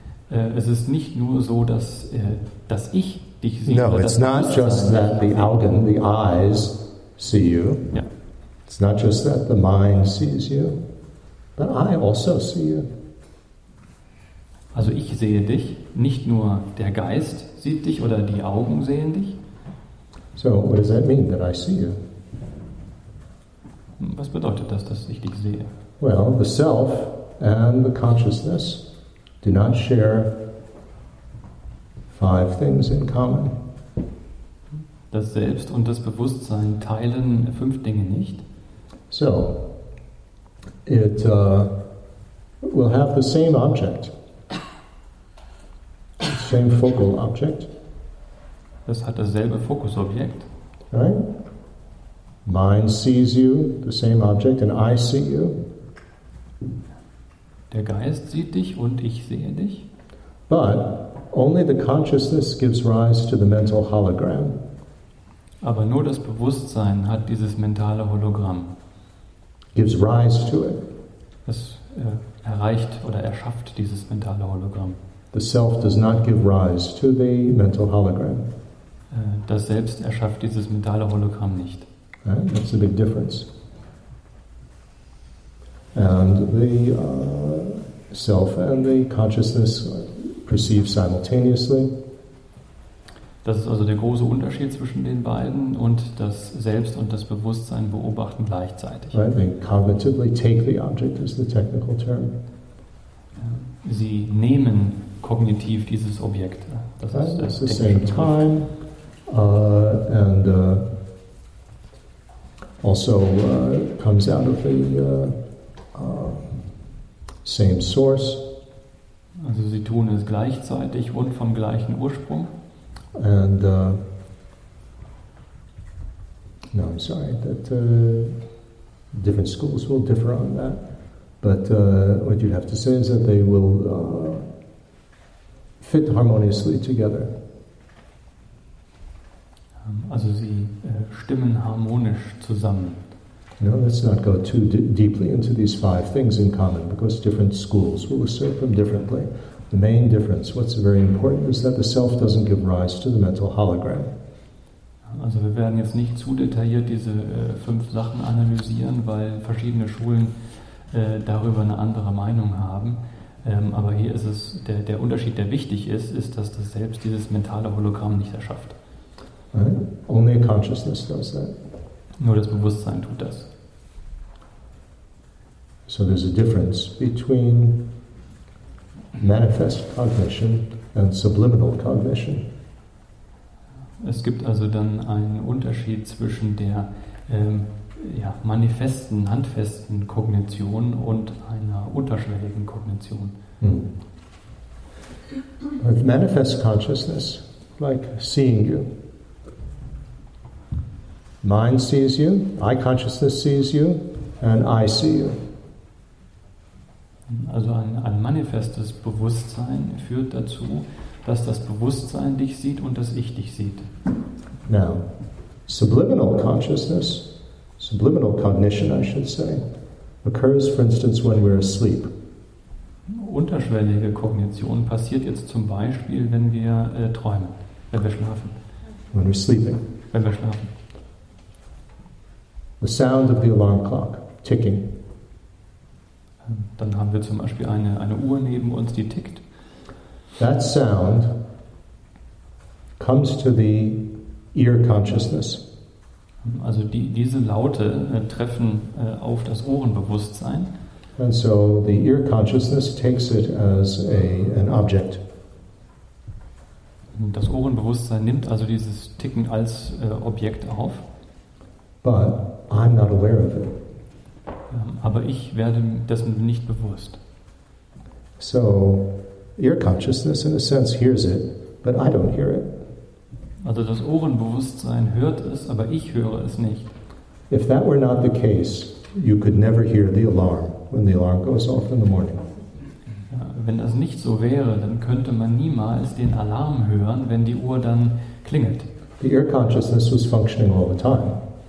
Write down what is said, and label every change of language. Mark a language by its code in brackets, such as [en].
[de] Es ist nicht nur so, dass ich dich sehe. [en] No, it's not just that the [de] Augen, [en] the eyes, see you. Yeah. It's not just that the mind sees you, but I also see you. [de] Also ich sehe dich, nicht nur der Geist sieht dich oder die Augen sehen dich. [en] So, what does that mean, that I see you? [de] Was bedeutet das, dass ich dich sehe? [en] Well, the self and the consciousness do not share five things in common. [de] Das Selbst und das Bewusstsein teilen fünf Dinge nicht. [en] So, it will have the same object. Same focal object. [de] Das hat dasselbe Fokusobjekt. [en] Right? Mind sees you, the same object, and I see you. [de] Der Geist sieht dich und ich sehe dich. [en] But only the consciousness gives rise to the mental hologram. [de] Aber nur das Bewusstsein hat dieses mentale Hologramm. [en] Gives rise to it. [de] Es erreicht oder erschafft dieses mentale Hologramm. [en] The self does not give rise to the mental hologram. [de] Das Selbst erschafft dieses mentale Hologramm nicht. [en] Right? That's a big difference. And the self and the consciousness perceive simultaneously. [de] Das ist also der große Unterschied zwischen den beiden, und das Selbst und das Bewusstsein beobachten gleichzeitig. [en] Right? They cognitively take the object is the technical term. [de] Sie nehmen kognitiv dieses Objekt. Das ist [en] right? It's the same time and also comes out of the same source. [de] Also sie tun es gleichzeitig und vom gleichen Ursprung. [en] And no, I'm sorry that different schools will differ on that, but what you'd have to say is that they will fit harmoniously together. [de] Also sie stimmen harmonisch zusammen. [en] No, let's not go too deeply into these five things in common, because different schools will assert them differently. The main difference, what's very important, is that the self doesn't give rise to the mental hologram. [de] Also wir werden jetzt nicht zu detailliert diese fünf Sachen analysieren, weil verschiedene Schulen darüber eine andere Meinung haben. Aber hier ist es, der Unterschied, der wichtig ist, ist, dass das Selbst dieses mentale Hologramm nicht erschafft. [en] Right. Only consciousness does that. [de] Nur das Bewusstsein tut das. [en] So there's a difference between manifest cognition and subliminal cognition. [de] Es gibt also dann einen Unterschied zwischen der manifesten, handfesten Kognition und einer unterschwelligen Kognition. Hmm. [en] With manifest consciousness, like seeing you, mind sees you, eye consciousness sees you, and I see you. [de] Also ein manifestes Bewusstsein führt dazu, dass das Bewusstsein dich sieht und dass ich dich sieht. [en] Now, subliminal cognition, occurs, for instance, when we're asleep. [de] Unterschwellige Kognition passiert jetzt zum Beispiel, wenn wir träumen, wenn wir schlafen. [en] When we're sleeping. [de] Wenn wir schlafen. [en] The sound of the alarm clock ticking. [de] Dann haben wir zum Beispiel eine Uhr neben uns, die tickt. [en] That sound comes to the ear consciousness. [de] Also diese Laute treffen auf das Ohrenbewusstsein. [en] And so the ear consciousness takes it as an object. [de] Das Ohrenbewusstsein nimmt also dieses Ticken als Objekt auf. [en] But I'm not aware of it. [de] Aber ich werde dessen nicht bewusst. [en] So, ear consciousness in a sense hears it, but I don't hear it. [de] Also das Ohrenbewusstsein hört es, aber ich höre es nicht. [en] If that were not the case, you could never hear the alarm when the alarm goes off in the morning. [de] Ja, wenn das nicht so wäre, dann könnte man niemals den Alarm hören, wenn die Uhr dann klingelt. [en] The ear consciousness was functioning all the time.